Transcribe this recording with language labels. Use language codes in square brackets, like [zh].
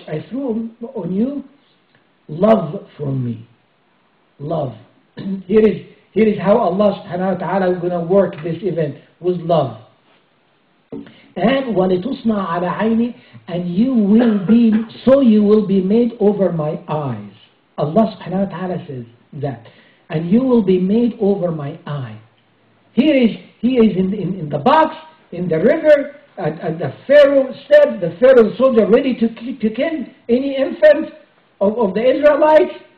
[en] I threw on you love from me. Love. Here is how Allah subhanahu wa ta'ala is going to work this event with love. [ar] And وَلِتُصْنَعَ عَلَى عَيْنِي. [en] And you will be made over my eyes. Allah subhanahu wa ta'ala says that. And you will be made over my eye. He is in the box, in the river, at the Pharaoh said, the Pharaoh soldier ready to kill any infant of the Israelites.